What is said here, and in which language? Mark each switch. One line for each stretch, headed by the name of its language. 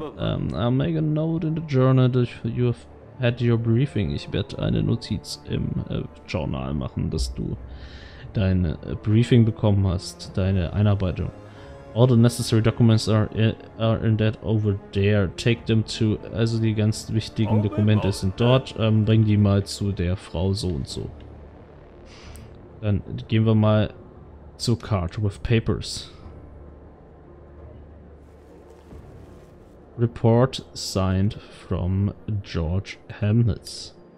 English: I'll make a note in the journal that you have had your briefing.
German: Ich werde eine Notiz im Journal machen, dass du dein Briefing bekommen hast, deine Einarbeitung.
English: All the necessary documents are in that over there. Take them to...
German: Also die ganz wichtigen Dokumente sind dort. Bring die mal zu der Frau so und so. Dann gehen wir mal zur Card with Papers.
English: Report signed from George Hamlets.